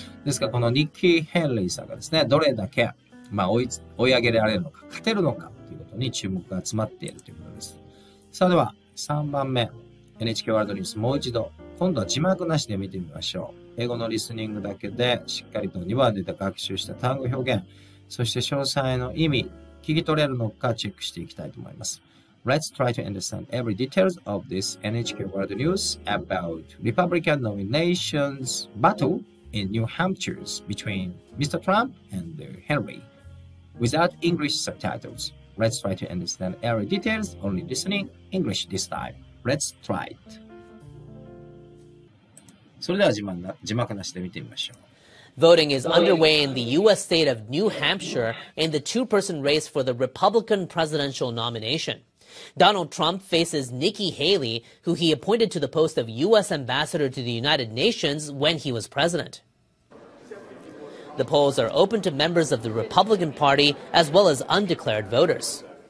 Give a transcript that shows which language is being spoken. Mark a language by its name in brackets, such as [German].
[Japanese] ですからこのニッキー・ヘイリーさんがですね、どれだけ、まあ、追い上げられるのか、勝てるのかということに注目が集まっているということです。さあでは3番目、 NHK ワールドニュース、もう一度今度は字幕なしで見てみましょう。英語のリスニングだけでしっかりと2話で学習した単語表現、そして詳細の意味、聞き取れるのかチェックしていきたいと思います。 [English] Let's try to understand every details of this NHK World News about Republican nominations battle in New Hampshire between Mr. Trump and Henry. Without English subtitles, let's try to understand every details, only listening English this time. Let's try it. [Japanese] それでは字幕なしで見てみましょう。 [English] Voting is underway in the U.S. state of New Hampshire in the two-person race for the Republican presidential nomination. Donald Trump faces Nikki Haley, who he appointed to the post of U.S. ambassador to the United Nations when he was president. The polls are open to members of the Republican Party as well as undeclared voters.